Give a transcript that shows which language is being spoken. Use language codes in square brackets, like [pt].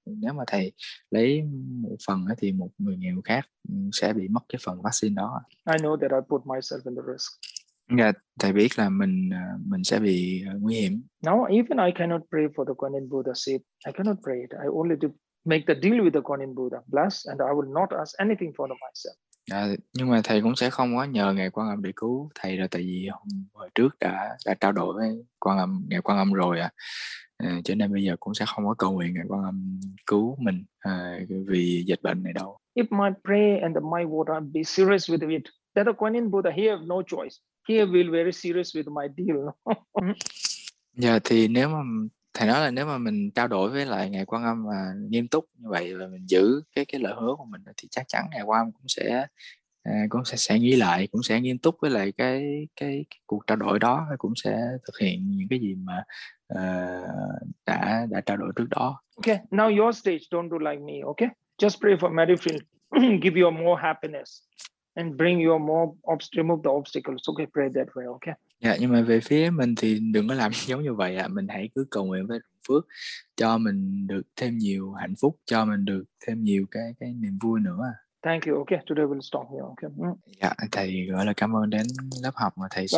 [vi] Nếu mà thầy lấy một phần thì một người nghèo khác sẽ bị mất cái phần vaccine đó. [en] I know that I put myself in the risk. [vi] Dạ, thầy biết là mình sẽ bị nguy hiểm. [en] Now even I cannot pray for the Kuan Yin Buddha seat. I cannot pray it. I only do make the deal with the Kuan Yin Buddha, bless, and I will not ask anything for the myself. [vi] À, nhưng mà thầy cũng sẽ không có nhờ Ngài Quan Âm để cứu thầy rồi, tại vì hồi trước đã trao đổi với Ngài Quan Âm rồi cho nên bây giờ cũng sẽ không có cầu nguyện Ngài Quan Âm cứu mình vì dịch bệnh này đâu. [en] If my prayer and my word are be serious with it, that the Kuan Yin Buddha, he have no choice. He will be very serious with my [vi] Dạ, thì nếu mà thầy nói là nếu mà mình trao đổi với lại Ngài Quan Âm mà nghiêm túc như vậy và mình giữ cái lời hứa của mình, thì chắc chắn Ngài Quan Âm cũng sẽ nghĩ lại, cũng sẽ nghiêm túc với lại cái cuộc trao đổi đó, cũng sẽ thực hiện những cái gì mà đã trao đổi trước đó. [en] Okay, now your stage, don't do like me, okay? Just pray for Merrifield, give you more happiness. And bring you more remove the obstacles. Okay, pray that way, okay? [vi] Dạ, nhưng mà về phía mình thì đừng có làm giống như vậy mình hãy cứ cầu nguyện với Phước cho mình được thêm nhiều hạnh phúc, cho mình được thêm nhiều cái niềm vui nữa. [en] Thank you, okay. Today we'll stop here, okay? [vi] Dạ, thầy gọi là cảm ơn đến lớp học mà thầy sẽ